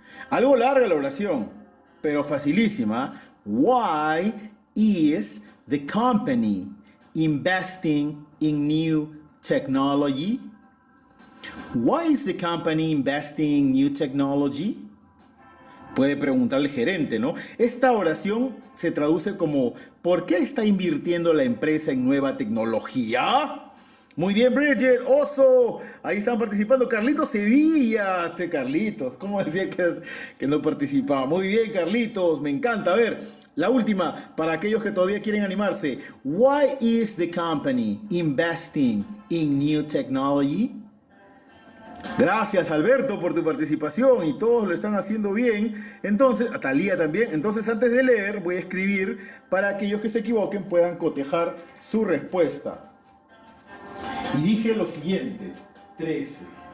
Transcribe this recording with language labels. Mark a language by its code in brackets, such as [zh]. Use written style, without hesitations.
[es] Algo larga la oración, pero facilísima. [en] Why is the company investing in new technology? Why is the company investing in new technology? [es] Puede preguntar el gerente, ¿no? Esta oración se traduce como ¿por qué está invirtiendo la empresa en nueva tecnología? Muy bien, Bridget, oso, ahí están participando. Carlitos Sevilla, este Carlitos, ¿cómo decía que no participaba? Muy bien, Carlitos, me encanta. A ver, la última, para aquellos que todavía quieren animarse. [en] Why is the company investing in new technology? [es] Gracias Alberto por tu participación y todos lo están haciendo bien. Entonces, a Talía también. Entonces, antes de leer, voy a escribir para aquellos que se equivoquen puedan cotejar su respuesta. Y dije lo siguiente, 13.